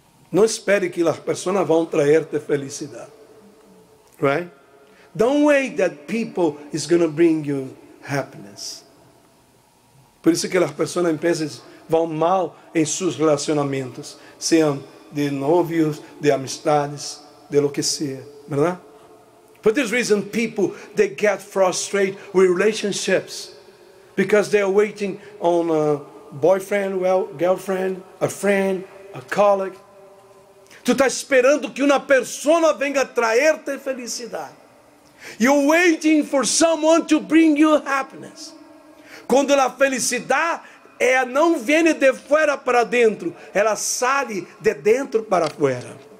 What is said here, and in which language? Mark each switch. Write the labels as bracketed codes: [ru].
[pt] Não espere que as pessoas vão trazer-te felicidade. [en] Right? Don't wait that people is going to bring you happiness. [pt] Por isso que as pessoas, em vez de vão mal em seus relacionamentos, sejam de novios, de amistades, de lo que seja. Verdade? [en] For this reason, people, they get frustrated with relationships because they are waiting on a boyfriend, well, girlfriend, a friend, a colleague. [pt] Tu está esperando que uma pessoa venha trazer-te felicidade. [en] You're waiting for someone to bring you happiness. [pt] Quando a felicidade ela não vem de fora para dentro, ela sai de dentro para fora.